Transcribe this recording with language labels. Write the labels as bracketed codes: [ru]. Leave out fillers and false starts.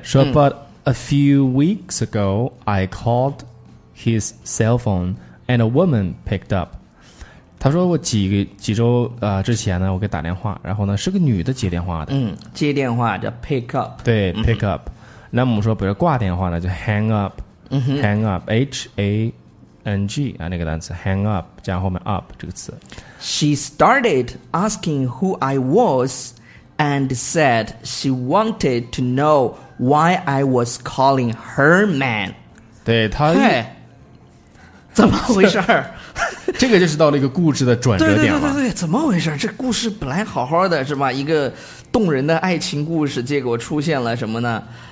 [en] 说 but a few weeks ago I called his cell phone and a woman picked up。 [zh] 他说我几周之前呢，我给打电话，然后呢是个女的接电话的。嗯，接电话叫 pick up。对， pick up。那我们说比如挂电话呢就 hang up。嗯哼， hang up， H-A-N-G 啊，那个单词 hang up 加后面 up 这个词。 [en] She started asking who I was and said she wanted to know why I was calling her man。 [zh] 对，他怎么回事儿？这个就是到了一个故事的转折点了。对对对对，怎么回事？这故事本来好好的是吧，一个动人的爱情故事，结果出现了什么呢？